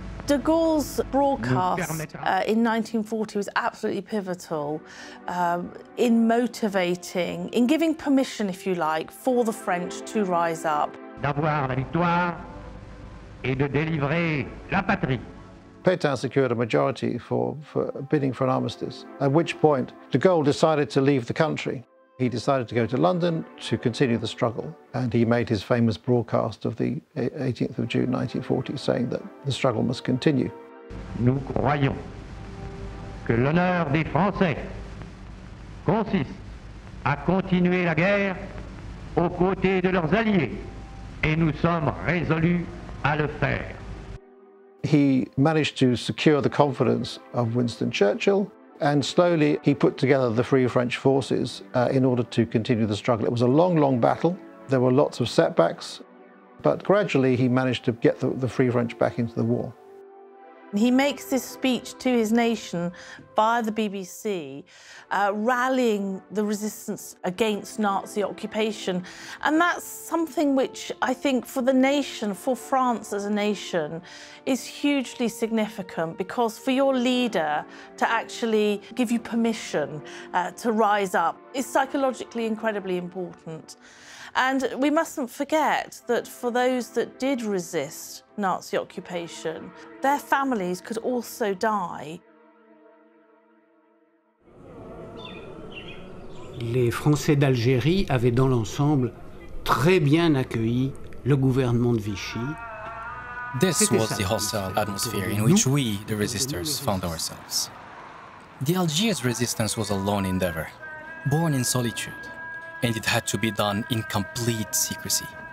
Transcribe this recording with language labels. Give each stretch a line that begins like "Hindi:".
English: De Gaulle's broadcast in 1940 was absolutely pivotal in motivating, in giving permission, if you like, for the French to rise up.
French: D'avoir la victoire et de délivrer la patrie.
English: Pétain secured a majority for bidding for an armistice, at which point de Gaulle decided to leave the country. He decided to go to London to continue the struggle, and he made his famous broadcast of the 18th of June 1940, saying that the struggle must continue.
French: Nous croyons que l'honneur des Français consiste à continuer la guerre aux côtés de leurs alliés, et nous sommes résolus à le faire.
English: He managed to secure the confidence of Winston Churchill. And slowly, he put together the Free French Forces in order to continue the struggle. It was a long, long battle. There were lots of setbacks, but gradually he managed to get the Free French back into the war. He makes this speech to his nation via the BBC, rallying the resistance against Nazi occupation. And that's something which I think for the nation, for France as a nation, is hugely significant, because for your leader to actually give you permission to rise up is psychologically incredibly important. And we mustn't forget that for those that did resist Nazi occupation, their families could also die.
French: Les Français d'Algérie avaient dans l'ensemble très bien accueilli le gouvernement de Vichy.
English: This was the hostile atmosphere in which we, the resistors, found ourselves. The Algiers resistance was a lone endeavor, born in solitude. And it had to be done in complete secrecy.